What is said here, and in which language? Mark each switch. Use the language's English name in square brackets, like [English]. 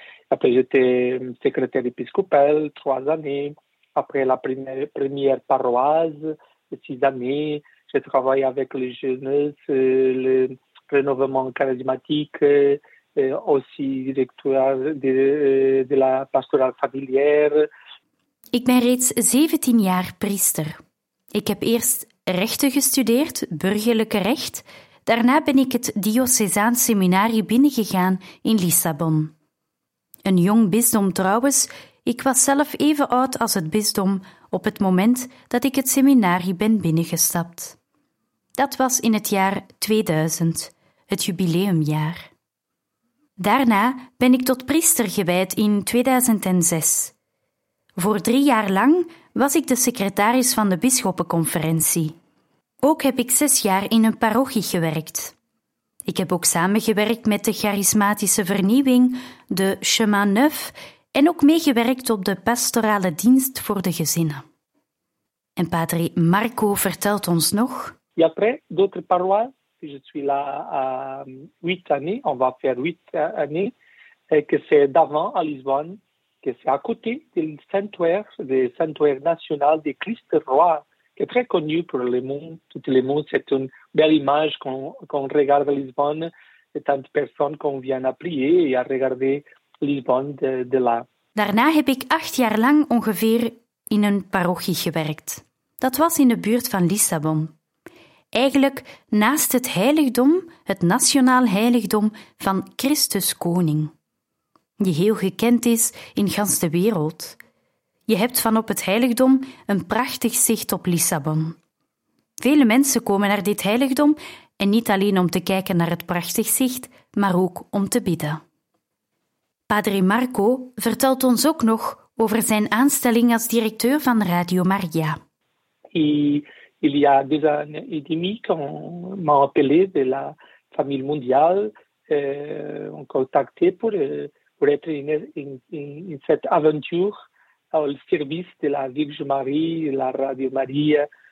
[French] Après, j'étais secrétaire épiscopal 3 années. Après, la première paroisse, 6 années. J'ai travaillé avec les jeunes, le renouvellement charismatique, aussi directeur de la pastorale familière. [Dutch] Ik ben reeds 17 jaar priester. Ik heb eerst rechten gestudeerd, burgerlijke recht. Daarna ben ik het diocesaan seminarie binnengegaan in Lissabon. Een jong bisdom trouwens, ik was zelf even oud als het bisdom op het moment dat ik het seminarie ben binnengestapt. Dat was in het jaar 2000, het jubileumjaar. Daarna ben ik tot priester gewijd in 2006. Voor 3 jaar lang was ik de secretaris van de bisschoppenconferentie. Ook heb ik 6 jaar in een parochie gewerkt. Ik heb ook samengewerkt met de charismatische vernieuwing, de Chemin Neuf, en ook meegewerkt op de pastorale dienst voor de gezinnen. En padre Marco vertelt ons nog. [French] Ja, après d'autre paroisse, je suis là à 8 années, on va faire 8 années, que c'est d'avant à Lisbonne. Que c'est à côté du sanctuaire national de Christ Roi, qui est très connu pour le monde, tout le monde. C'est une belle image qu'on regarde à Lisbonne, de tant de personnes qu'on vient à prier et à regarder Lisbonne de là. [Dutch] Daarna heb ik 8 jaar lang ongeveer in een parochie gewerkt. Dat was in de buurt van Lissabon. eigenlijk naast het heiligdom, het nationaal heiligdom van Christus Koning, die heel gekend is in gans de wereld. Je hebt van op het heiligdom een prachtig zicht op Lissabon. Vele mensen komen naar dit heiligdom en niet alleen om te kijken naar het prachtig zicht, maar ook om te bidden. Padre Marco vertelt ons ook nog over zijn aanstelling als directeur van Radio Maria. [French] Il y a deux ans et demi qu'on m'a appelé de la famille mondiale, on contacté pour être in cette aventure au service de la Vierge Marie, la Radio Maria.